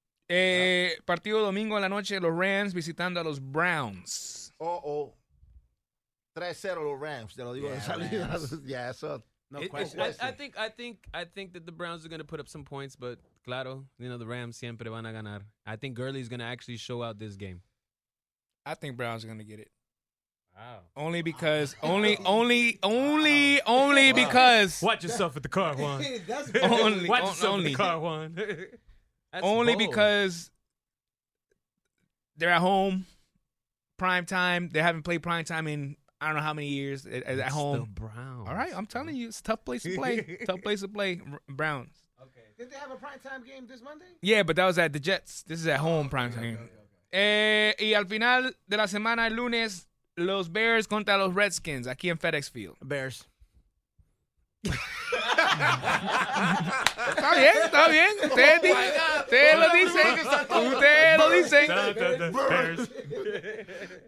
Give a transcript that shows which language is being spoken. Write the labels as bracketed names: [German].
[Spanish] Partido domingo en la noche, los Rams visitando a los Browns. 3-0 los Rams, te lo digo. [English] I think that the Browns are going to put up some points, but claro, you know, the Rams [Spanish] siempre van a ganar. [English] I think Gurley's going to actually show out this game. I think Browns are going to get it. Wow. Only because, only because. Watch yourself at the car, Juan. That's only, watch yourself only. At the car, Juan. That's only bold. Because they're at home, prime time. They haven't played prime time in I don't know how many years at home. The Browns. All right, I'm telling you, it's a tough place to play. Tough place to play, Browns. Okay. Did they have a prime time game this Monday? Yeah, but that was at the Jets. This is at home prime time. Okay. [Spanish] Y al final de la semana, el lunes, los Bears contra los Redskins aquí en FedEx Field. Bears. Está bien, está bien. Ustedes lo dicen.